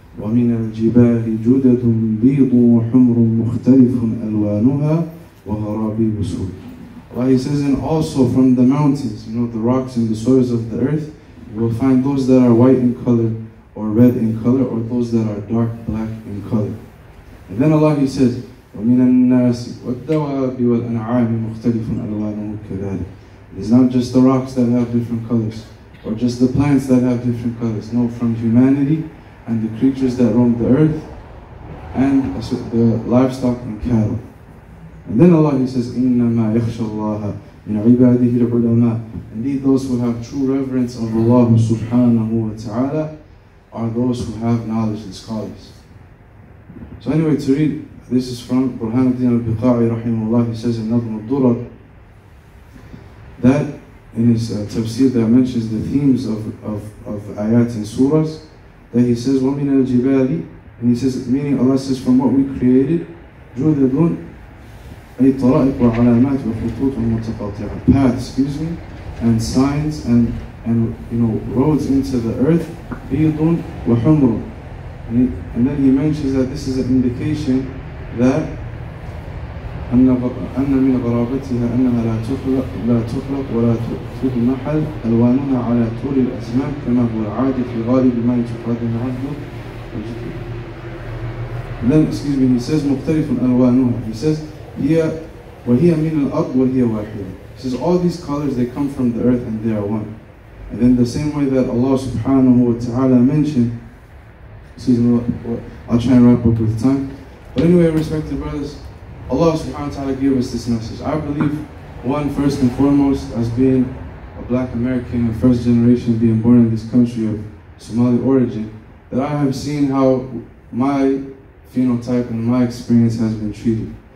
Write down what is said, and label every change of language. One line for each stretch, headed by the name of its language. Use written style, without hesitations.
Arabic: وَمِنَ الْجِبَالِ جُدَدٌ بِيضٌ وَحُمْرٌ مُخْتَلِفٌ أَلْوَانُهَا وَغَرَابِي بُسُودٌ.
English: Allah, He says, and also from the mountains, you know, the rocks and the soils of the earth, you will find those that are white in color, or red in color, or those that are dark black in color. And then Allah, He says,
Arabic: وَمِنَ النَّاسِ وَالدَّوَابِ وَالْأَنْعَامِ مُخْتَلِفٌ أَلْوَانُهُ كَذَلِكَ.
English: It's not just the rocks that have different colors, or just the plants that have different colors. No, from humanity and the creatures that roam the earth, and the livestock and cattle. And then Allah, He says,
Arabic: إِنَّمَا يَخْشَ اللَّهَ مِنْ عِبَادِهِ الْعُلَمَاءِ.
English: Indeed, those who have true reverence of Allah subhanahu wa ta'ala are those who have knowledge and scholars. So anyway, to read, this is from Burhanuddin al-Biqa'i rahimahullah. He says in Nadhm al-Durar, that in his tafsir that mentions the themes of ayat and surahs, that he says,
Arabic: وَمِنَ الْجِبَالِ,
English: and he says, meaning Allah says, from what we created,
Arabic: جُدَدٌ أي طَرَائِقُ وَعَلَامَاتِ وَخُطُوطُ وَمُتَقَطِعَةٍ,
English: paths, excuse me, and signs, and you know, roads into the earth,
Arabic: بِيضٌ وَحُمْرٌ.
English: And then he mentions that this is an indication that
Arabic: أن من غرابتها أنها لا تخلق ولا تؤخذ محل ألوانها على طول الأزمان كما هو العادي في غالب ما يتقدم عنه.
English: Then, excuse me, he says
Arabic: مختلف ألوانها.
English: He says
Arabic: هي وهي من الأرض وهي واحدة.
English: He says all these colors, they come from the earth and they are one. And then the same way that Allah subhanahu wa ta'ala mentioned, excuse me, I'll try and wrap up with time. But anyway, respected brothers, Allah subhanahu wa ta'ala gave us this message. I believe, one, first and foremost, as being a black American and first generation being born in this country of Somali origin, that I have seen how my phenotype and my experience has been treated.